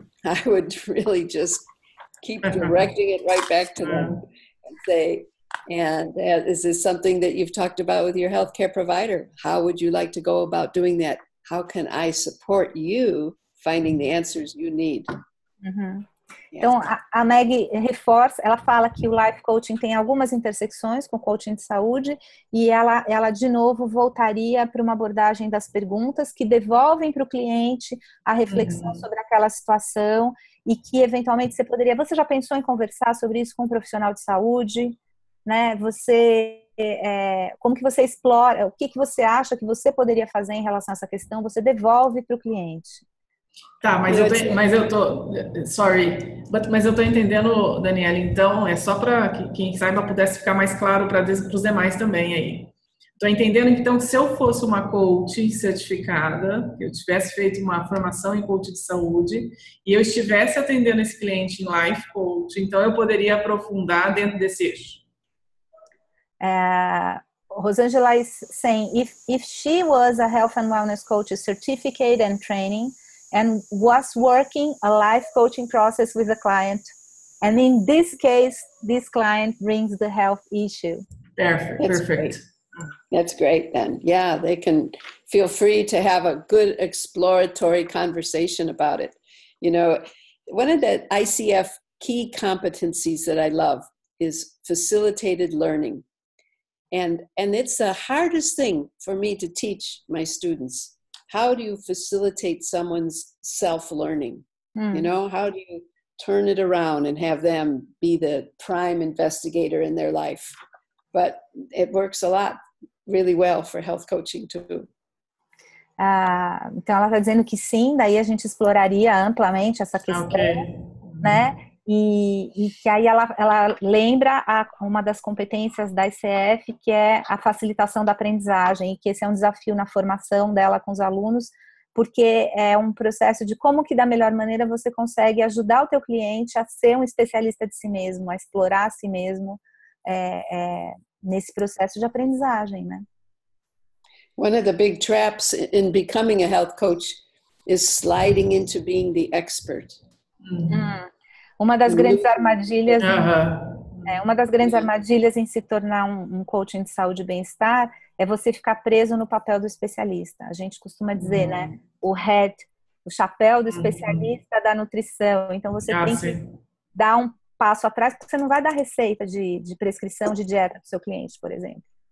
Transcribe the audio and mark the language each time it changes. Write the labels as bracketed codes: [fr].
[en] I would really just keep directing it right back to them and say, and is this something that you've talked about with your healthcare provider? How would you like to go about doing that? How can I support you finding the answers you need? [pt] Então, a Meg reforça, ela fala que o life coaching tem algumas intersecções com coaching de saúde e ela de novo voltaria para uma abordagem das perguntas que devolvem para o cliente a reflexão sobre aquela situação e que eventualmente você poderia, você já pensou em conversar sobre isso com um profissional de saúde, né? Você, como que você explora, o que você acha que você poderia fazer em relação a essa questão, você devolve para o cliente. Tá, mas eu tô entendendo, Daniela, então é só para que quem saiba pudesse ficar mais claro para os demais também aí. Tô entendendo, então, que se eu fosse uma coach certificada, que eu tivesse feito uma formação em coaching de saúde e eu estivesse atendendo esse cliente em life coach, então eu poderia aprofundar dentro desse eixo. [en] Rosângela is saying, if she was a health and wellness coach certificate and training, and was working a life coaching process with a client. And in this case, this client brings the health issue. Perfect. That's great then. Yeah, they can feel free to have a good exploratory conversation about it. You know, one of the ICF key competencies that I love is facilitated learning. And it's the hardest thing for me to teach my students. How do you facilitate someone's self-learning? Mm. You know, how do you turn it around and have them be the prime investigator in their life? But it works a lot, really well for health coaching too. [pt] Então ela está dizendo que sim, daí a gente exploraria amplamente essa questão, okay. Né? E que aí ela lembra uma das competências da ICF, que é a facilitação da aprendizagem, e que esse é um desafio na formação dela com os alunos, porque é um processo de como que da melhor maneira você consegue ajudar o teu cliente a ser um especialista de si mesmo, a explorar a si mesmo nesse processo de aprendizagem, né? [en] One of the big traps in becoming a health coach is sliding into being the expert. Uhum. [pt] Uma das grandes armadilhas, uma das grandes armadilhas em se tornar um coaching de saúde e bem-estar é você ficar preso no papel do especialista. A gente costuma dizer, né, o hat, o chapéu do especialista da nutrição. Então você tem que dar um passo atrás, porque você não vai dar receita de prescrição de dieta para o seu cliente, por exemplo.